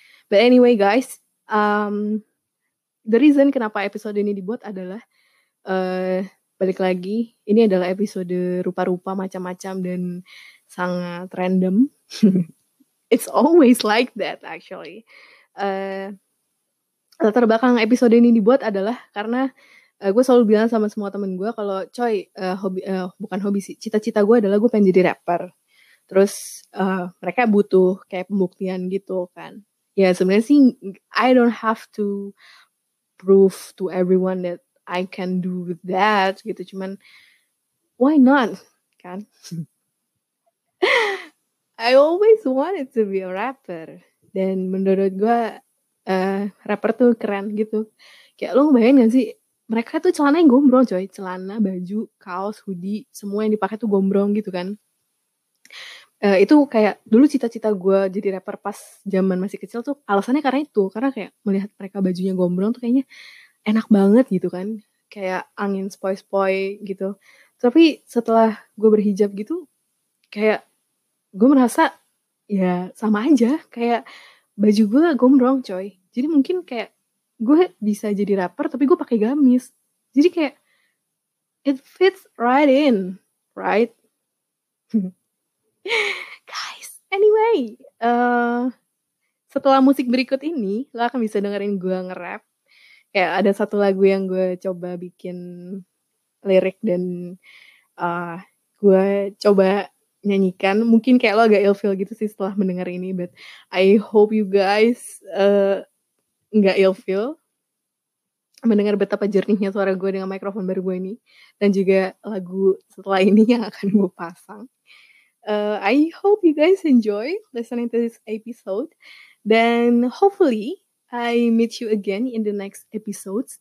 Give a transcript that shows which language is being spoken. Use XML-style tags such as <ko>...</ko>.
<en>But anyway guys, the reason</en> <id>kenapa episode ini dibuat adalah balik lagi, ini adalah episode rupa-rupa macam-macam dan sangat random.</id> <en>It's always like that actually.</en> <id>Latar belakang episode ini dibuat adalah karena gue selalu bilang sama semua temen gue kalau coy, cita-cita gue adalah gue pengen jadi rapper. Terus mereka butuh kayak pembuktian gitu kan. Ya sebenarnya sih</id> <en>I don't have to prove to everyone that I can do that</en> <id>gitu, cuman why not kan.</id> <en>I always wanted to be a rapper,</en> <id>dan menurut gue rapper tuh keren gitu. Kayak lo ngebayangin gak sih, mereka tuh celananya gombrong coy, celana, baju, kaos, hoodie, semua yang dipakai tuh gombrong gitu kan. Itu kayak dulu cita-cita gue jadi rapper pas zaman masih kecil tuh alasannya karena itu, karena kayak melihat mereka bajunya gombrong tuh kayaknya enak banget gitu kan, kayak angin spoi-spoi gitu. Tapi setelah gue berhijab gitu, kayak gue merasa ya sama aja, kayak baju gue gombrong coy. Jadi mungkin kayak gue bisa jadi rapper tapi gue pakai gamis.</id> <en>Jadi kayak it fits right in, right?</en> <id>Guys, anyway, setelah musik berikut ini lo akan bisa dengerin gue nge-rap. Ya, ada satu lagu yang gue coba bikin lirik dan gue coba nyanyikan. Mungkin kayak lo agak ill-feel gitu sih setelah mendengar ini,</id> <en>but I hope you guys</en> <id>gak ill-feel mendengar betapa jernihnya suara gue dengan mikrofon baru gue ini. Dan juga lagu setelah ini yang akan gue pasang.</id> <en>I hope you guys enjoy listening to this episode.</en> <id>Dan</id> <en>hopefully I meet you again in the next episodes.</en>